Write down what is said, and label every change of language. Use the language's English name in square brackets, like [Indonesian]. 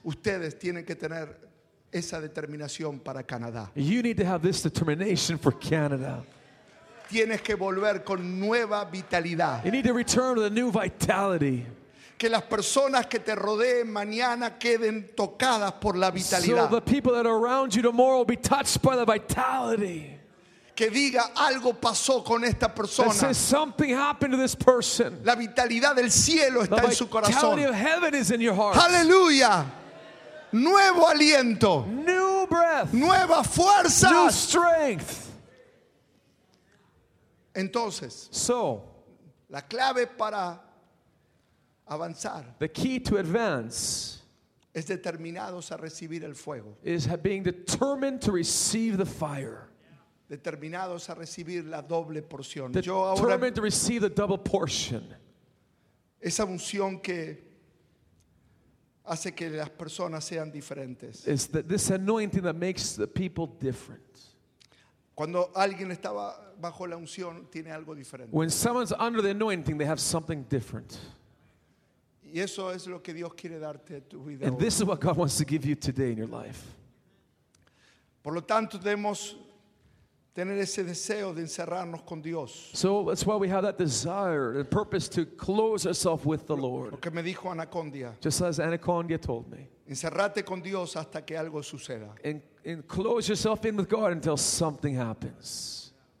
[Spanish] Ustedes tienen que tener esa determinación para Canadá. [English] You need to have this determination for Canada. [Spanish] Tienes que volver con nueva vitalidad. [English] You need to return with a new vitality. [Spanish] Que las personas que te rodeen mañana queden tocadas por la vitalidad. [English] So the people that are around you tomorrow will be touched by the vitality. [Spanish] Que diga algo pasó con esta persona. [English] That says something happened to this person. [Spanish] La vitalidad del cielo está en su corazón. [English] The vitality of heaven is in your heart. [Spanish] Hallelujah. Nuevo aliento. [English] New breath. [Spanish] Nueva fuerza. [English] New strength. [Spanish] Entonces. [English] So. [Spanish] La clave para avanzar. [English] The key to advance. [Spanish] Es determinados a recibir el fuego. [English] Is being determined to receive the fire. [Spanish] Determinados a recibir la doble porción. [English] Determined to receive the double portion. [Spanish] Esa unción que hace que las personas sean diferentes. [English] It's this anointing that makes the people different. [Spanish] Cuando alguien estaba bajo la unción, tiene algo diferente. [English] When someone's under the anointing, they have something different. [Spanish] Y eso es lo que Dios quiere darte tu vida. [English] And this is what God wants to give you today in your life. [Spanish] Por lo tanto, debemos tener ese deseo de encerrarnos con Dios. [English] So that's why we have that desire and purpose to close ourselves with the Lord. [Spanish] Lo que me dijo Anacondia. [English] Just as Anacondia told me. [Spanish] Encerrate con Dios hasta que algo suceda. [English] And close yourself in with God until something happens.